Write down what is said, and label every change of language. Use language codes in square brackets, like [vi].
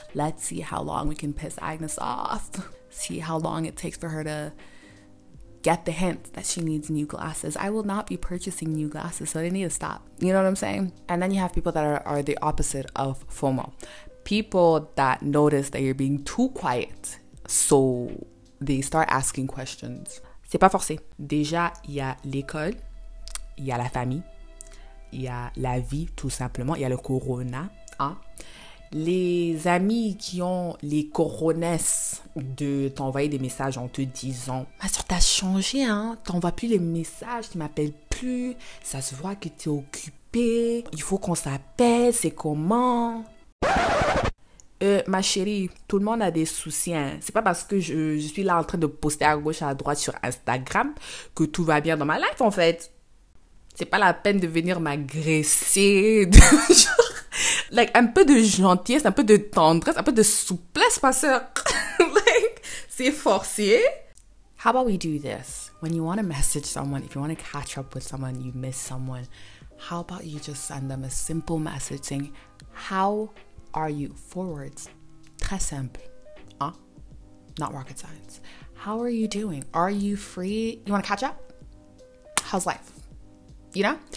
[en] Let's see how long we can piss Agnes off. See how long it takes for her to get the hint that she needs new glasses. I will not be purchasing new glasses, so they need to stop. You know what I'm saying? And then you have people that are the opposite of FOMO. People that notice that you're being too quiet, so they start asking questions. [fr] C'est pas forcé. Déjà, il y a l'école, il y a la famille, il y a la vie, tout simplement. Il y a le corona, hein? Les amis qui ont les coronas de t'envoyer des messages en te disant « Ma soeur, t'as changé, hein? T'envoies plus les messages, tu m'appelles plus, ça se voit que t'es occupée, il faut qu'on s'appelle, c'est comment? » Ma chérie, tout le monde a des soucis, hein? C'est pas parce que je suis là en train de poster à gauche, à droite sur Instagram que tout va bien dans ma life, en fait. C'est pas la peine de venir m'agresser, de... Like, un peu de gentillesse, un peu de tendresse, un peu de souplesse, ma soeur. [en] Like, [fr] c'est forcé. [en] How about we do this? When you want to message someone, if you want to catch up with someone, you miss someone, how about you just send them a simple message saying, how are you? 4 words. [fr] Très simple. [en] Huh? Not rocket science. How are you doing? Are you free? You want to catch up? How's life? You know?